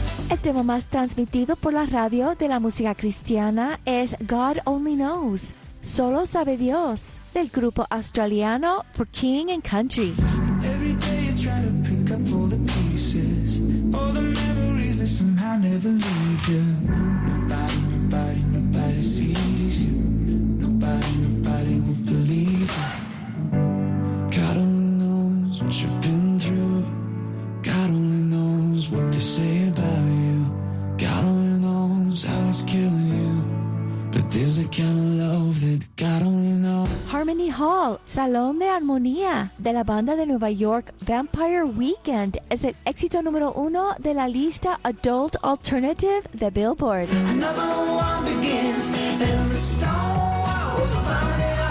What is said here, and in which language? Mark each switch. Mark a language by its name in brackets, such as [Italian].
[Spanish] El tema más transmitido por la radio de la música cristiana es God Only Knows, Solo Sabe Dios, del grupo australiano For King and Country. [English] Every day you try to pick up all the pieces, all the memories that somehow never leave you. Nobody, nobody, nobody sees you. Nobody, nobody will believe you. God only knows what you've been through. God only knows what to say about you. God only knows how it's killing you, but there's a kind of love that God only knows. [Spanish] Harmony Hall, Salón de Armonía, de la banda de Nueva York, Vampire Weekend, es el éxito número uno de la lista Adult Alternative de Billboard. [English] Another one begins, and the stone walls of fire.